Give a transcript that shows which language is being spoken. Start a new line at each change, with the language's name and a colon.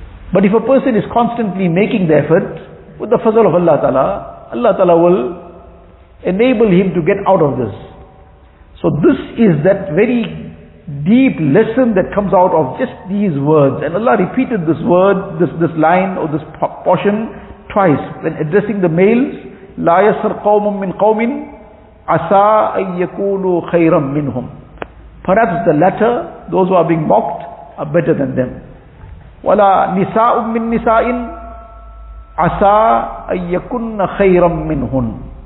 English: But if a person is constantly making the effort, with the fazal of Allah Ta'ala, Allah Ta'ala will enable him to get out of this. So this is that very deep lesson that comes out of just these words. And Allah repeated this word, this line or this portion twice when addressing the males.
Arabic: لا يسر قوم من قوم عسى أن يكونوا خيرا منهم.
English: Perhaps the latter, those who are being mocked, are better than them.
Arabic: ولا نساء من نساء عسى أن يكون خيرا منهم.